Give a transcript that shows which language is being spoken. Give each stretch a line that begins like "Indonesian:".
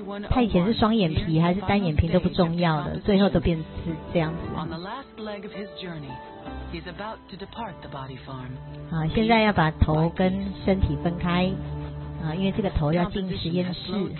Chinese: 他以前是双眼皮还是单眼皮都不重要的，最后都变成这样子。
English: On the last leg of his journey, he's about to depart the body farm.
Chinese: 啊，现在要把头跟身体分开啊，因为这个头要进实验室。